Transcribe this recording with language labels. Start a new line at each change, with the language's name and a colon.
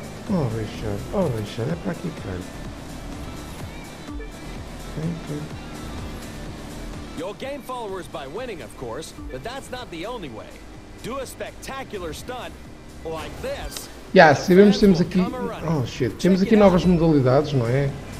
Portuguese: Oh Richard, oh Richard, é para aqui, caralho.
English: You'll gain followers by winning, of course, but that's not the only way. Do a spectacular stunt like this.
Portuguese: Yeah, sabemos que temos aqui.
English: Oh shit,
Portuguese: temos aqui novas modalidades, não é?